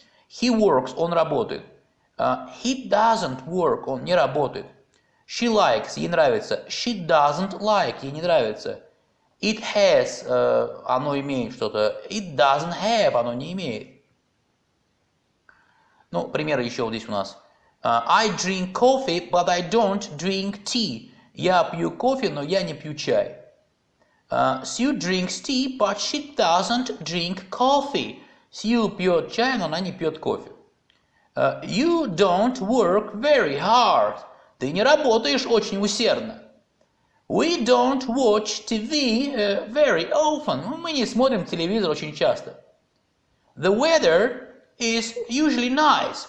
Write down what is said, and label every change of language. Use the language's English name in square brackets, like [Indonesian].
[English] He works, [Russian] он работает. [English] He doesn't work, [Russian] он не работает. [English] She likes, [Russian] ей нравится. [English] She doesn't like, [Russian] ей не нравится. [English] It has, [Russian] оно имеет что-то. [English] It doesn't have, [Russian] оно не имеет. Ну, пример еще вот здесь у нас. [English] I drink coffee, but I don't drink tea. [Russian] Я пью кофе, но я не пью чай. [English] Sue drinks tea, but she doesn't drink coffee. [Russian] Сью пьет чай, но она не пьет кофе. [English] You don't work very hard. [Russian] Ты не работаешь очень усердно. [English] We don't watch TV very often. [Russian] Мы не смотрим телевизор очень часто. [English] The weather is usually nice.